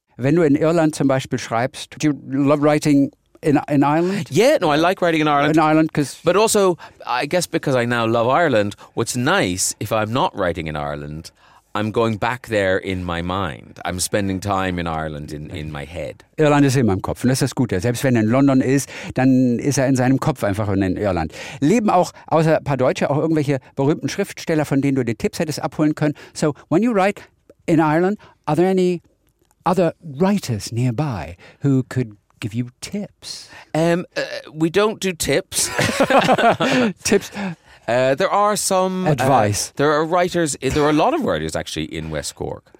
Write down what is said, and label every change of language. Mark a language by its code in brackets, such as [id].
[de] Wenn du in Irland zum Beispiel schreibst, [en] do you love writing in Ireland? Yeah, no, I like writing in Ireland. In Ireland, because... But also, I guess because I now love Ireland, what's nice, if I'm not writing in Ireland, I'm going back there in my mind. I'm spending time in Ireland in my head. [de] Irland ist in meinem Kopf, und das ist das Gute. Selbst wenn er in London ist, dann ist er in seinem Kopf einfach und in Irland. Leben auch, außer ein paar Deutsche, auch irgendwelche berühmten Schriftsteller, von denen du die Tipps hättest abholen können. [en] So, when you write in Ireland, are there any other writers nearby who could give you tips? We don't do tips. Tips... There are some advice. There are a lot of writers actually in West Cork.